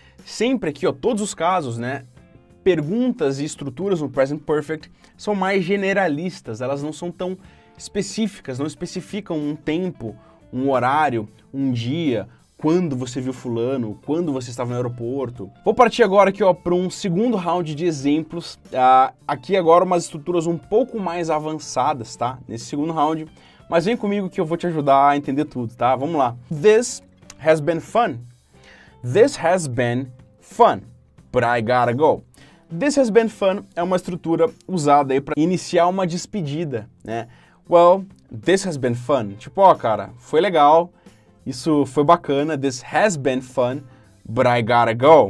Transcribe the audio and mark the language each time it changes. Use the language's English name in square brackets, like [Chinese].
[Portuguese] Sempre aqui, ó, todos os casos, né, perguntas e estruturas no present perfect são mais generalistas, elas não são tão específicas, não especificam um tempo, um horário, um dia, quando você viu fulano, quando você estava no aeroporto. Vou partir agora aqui, ó, para um segundo round de exemplos. Aqui agora umas estruturas um pouco mais avançadas, tá? Nesse segundo round. Mas vem comigo que eu vou te ajudar a entender tudo, tá? Vamos lá. [English] This has been fun. This has been fun, but I gotta go. This has been fun [Portuguese] é uma estrutura usada aí para iniciar uma despedida, né? [English] Well, this has been fun. [Portuguese] Tipo, ó, cara, foi legal, isso foi bacana. [English] This has been fun, but I gotta go.